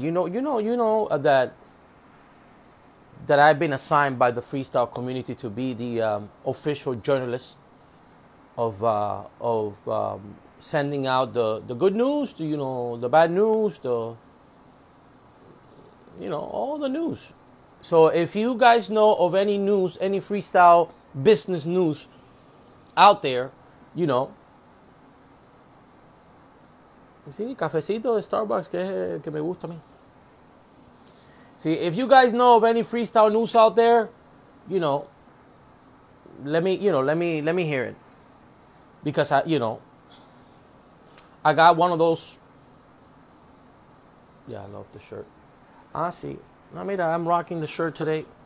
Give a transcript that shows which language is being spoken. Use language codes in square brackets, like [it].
[en] You know that I've been assigned by the freestyle community to be the official journalist of sending out the good news, the, you know, the bad news, the, you know, all the news. So if you guys know of any news, any freestyle business news out there, you know. [es] Sí, cafecito de Starbucks que me gusta a mí. [en] See, if you guys know of any freestyle news out there, you know, let me hear it. Because I got one of those. Yeah, I love the shirt. Ah, see. [es] No, mira, [en] I'm rocking the shirt today.